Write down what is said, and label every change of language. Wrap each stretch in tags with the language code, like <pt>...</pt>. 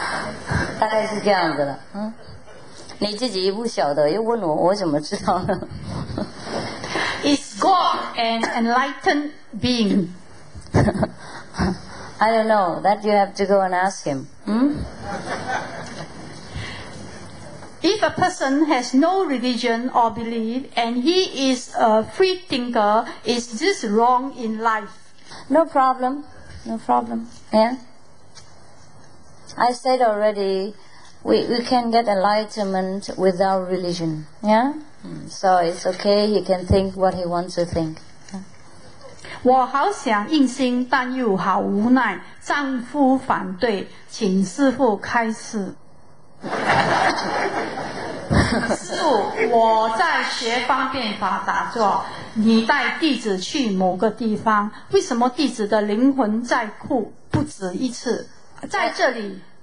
<zh>哭得很可怜，我知道不是我自己哭，控制不了，当时很清醒，知道不是自己，为什么？那个时候大概有一些佛定的力量啊，佛定的那种众生在你的身上，他受不了，你坐禅太苦了，太惨了，他就哭出来了，大概是这样子了。你自己一不晓得，又问我，我怎么知道呢？</zh> <en>Is God an enlightened being? I don't know. That you have to go and ask him. If a person has no religion or belief, and he is a free thinker, is this wrong in life? No problem. No problem. Yeah. I said already, We can get enlightenment without religion, yeah? So it's okay, he can think what he wants to think.</en> <zh>我好想应心，但又好无奈，丈夫反对，请师父开示。师父，我在学方便法打坐，你带弟子去某个地方，为什么弟子的灵魂在哭不止一次，在这里。</zh>